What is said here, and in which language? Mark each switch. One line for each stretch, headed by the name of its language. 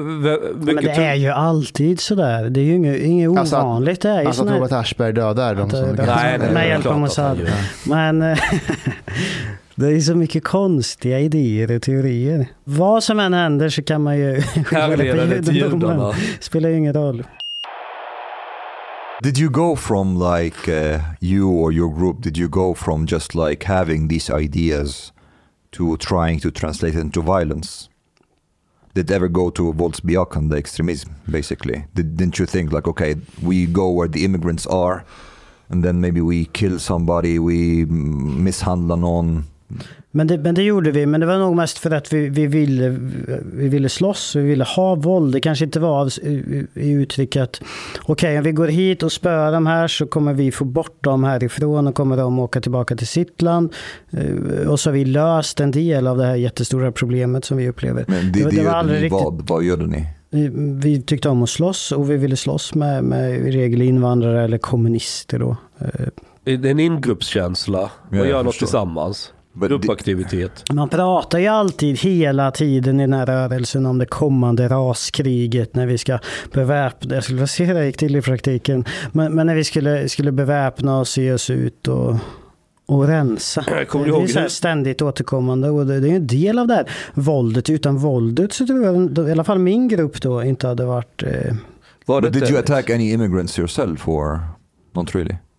Swedish: mycket, men det är ju alltid så där. Det är ju inget ovanligt. Alltså att, det är alltså att Robert Aschberg dödar de som med hjälp av Mossad. Men det är så mycket konstiga idéer och teorier. Vad som än händer så kan man ju skilja på judarna. Spelar ju ingen roll.
English: Did you go from like you or your group, did you go from just like having these ideas to trying to translate into violence? Did ever go to Våldsbejakande and the extremism, basically? Didn't you think like, okay, we go where the immigrants are and then maybe we kill somebody, we
Swedish: mishandla någon? Men det gjorde vi, men det var nog mest för att vi ville slåss, vi ville ha våld. Det kanske inte var i uttrycket, okej, om vi går hit och spöar de här så kommer vi få bort dem härifrån och kommer de åka tillbaka till sitt land. Och så har vi löst en del av det här jättestora problemet som vi upplever. Men det var aldrig riktigt... vad gjorde ni? Vi tyckte om att slåss och vi ville slåss med i regel invandrare eller kommunister. Då. Det är en ingruppskänsla att göra något tillsammans. Gruppaktivitet. Man pratar ju alltid hela tiden i den här rörelsen om det kommande raskriget när vi ska beväpna, jag skulle se det gick till i praktiken, men när vi skulle beväpna och se oss ut och rensa. Det är så ständigt återkommande och det är ju en del av det här våldet. Utan våldet så tror jag i alla fall min grupp då inte hade varit...
English: But did you attack any immigrants yourself or not really?